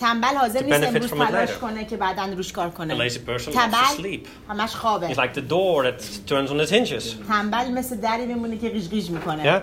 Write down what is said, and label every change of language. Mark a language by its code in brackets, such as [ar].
[fa] تنبل حاضر نیست امروز تلاش کنه که بعداً روش کار کنه. [en] A lazy person loves to sleep. [fa] همش خوابه. [en] It's like the door that turns on its hinges. [fa] تنبل مثل دری میمونه که غیژ میکنه.